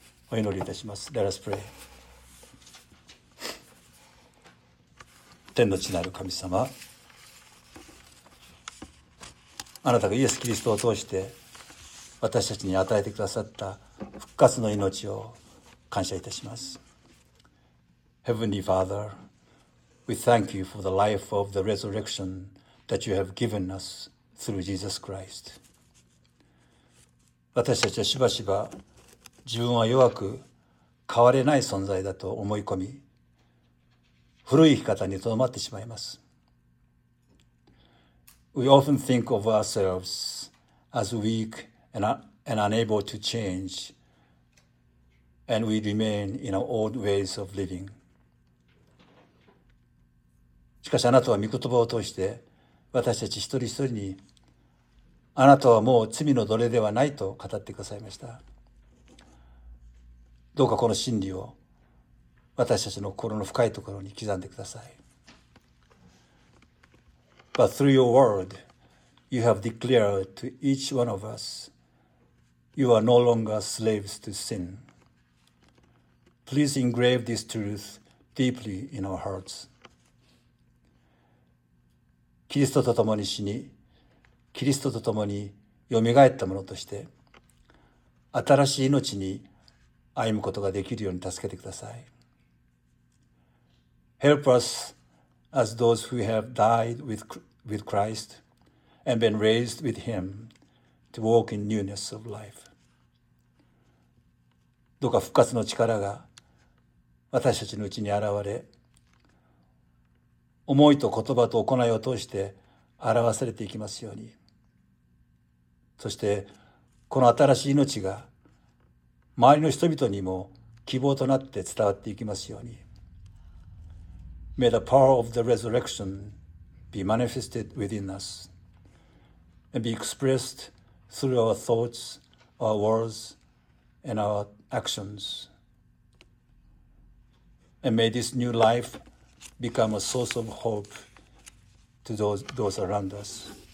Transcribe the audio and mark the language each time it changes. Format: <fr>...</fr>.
<ja>お祈りいたします。</ja> <en>Let us pray。</en> <ja>天の地なる神様、あなたがイエス・キリストを通して私たちに与えてくださった復活の命を感謝いたします。</ja> <en>Heavenly Father, we thank you for the life of the resurrection that you have given us through Jesus Christ。</en> <ja>私たちはしばしば自分は弱く変われない存在だと思い込み、古い生き方にとどまってしまいます。</ja> <en>We often think of ourselves as weak and unable to change, and we remain in our old ways of living。</en> <ja>しかしあなたは御言葉を通して私たち一人一人に、あなたはもう罪の奴隷ではないと語ってくださいました。どうかこの真理を私たちの心の深いところに刻んでください。</ja> <en>But through your word, you have declared to each one of us, you are no longer slaves to sin. Please engrave this truth deeply in our hearts.</en> <ja>キリストと共に死に、キリストと共によみがえった者として、新しい命に歩むことができるように助けてください。</ja> <en>Help us as those who have died with Christ and been raised with Him to walk in newness of life.</en> <ja>どうか復活の力が私たちのうちに現れ、思いと言葉と行いを通して表されていきますように。そして、この新しい命が周りの人々にも希望となって伝わっていきますように。</ja> <en>May the power of the resurrection be manifested within us and be expressed through our thoughts, our words, and our actions. And may this new life become a source of hope to those around us.</en>